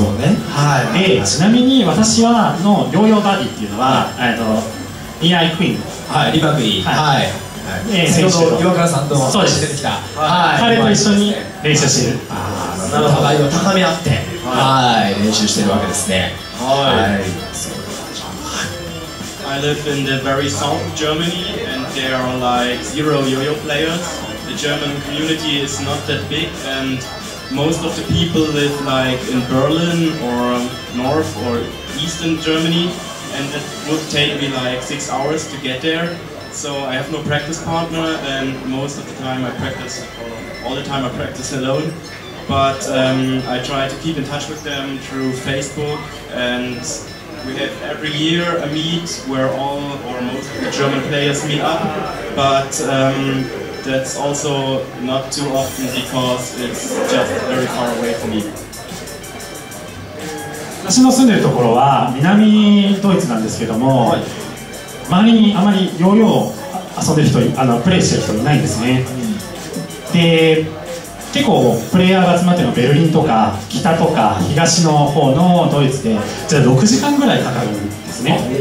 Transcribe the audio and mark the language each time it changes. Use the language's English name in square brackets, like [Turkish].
[Japanese] ちなみに私はのヨーヨーバディっていうのは、はい、リアイクイーン、はい、リバクイーン、はいはいはい、先ほど岩倉さんとも出てきた、はい、彼と一緒に練習してる、はい、なるほど、お互いを高め合って、はい、はい練習してるわけですね。はい、はい、 [English] I live in the very south Germany and there are like zero yo-yo players. The German community is not that big and most of the people live like in Berlin or north or eastern Germany and it would take me like 6 hours to get there. So I have no practice partner and most of the time I practice, all the time I practice alone. But I try to keep in touch with them through Facebook and we have every year a meet where all or most of the German players meet up. But that's also not too often because it's just very far away from me. [Japanese] 私の住んでるところは南ドイツなんですけども、周りにあまりヨーヨーを遊んでる人、プレイしてる人いないんですね、うん、で、結構プレイヤーが集まってるのベルリンとか北とか東の方のドイツでじゃあ6時間ぐらいかかるんですね。